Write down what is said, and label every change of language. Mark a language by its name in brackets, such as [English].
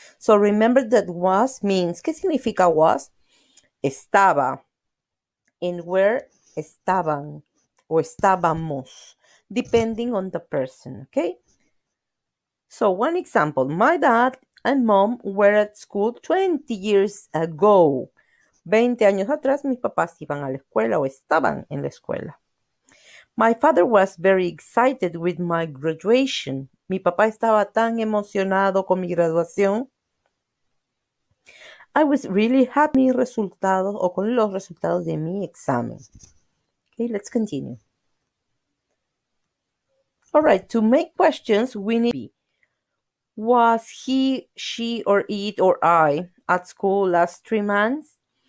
[English] So remember that was means, [Spanish] ¿qué significa was? Estaba. [English] And where? [Spanish] Estaban. O estábamos. [English] Depending on the person, okay? So one example. My dad and mom were at school 20 years ago. [Spanish] 20 años atrás, mis papás iban a la escuela o estaban en la escuela. [English] My father was very excited with my graduation. [Spanish] Mi papá estaba tan emocionado con mi graduación. [English] I was really happy [Spanish] con los resultados de mi examen. [English] Okay, let's continue. All right, to make questions, we need to be. Was he, she, or it, or I at school last 3 months?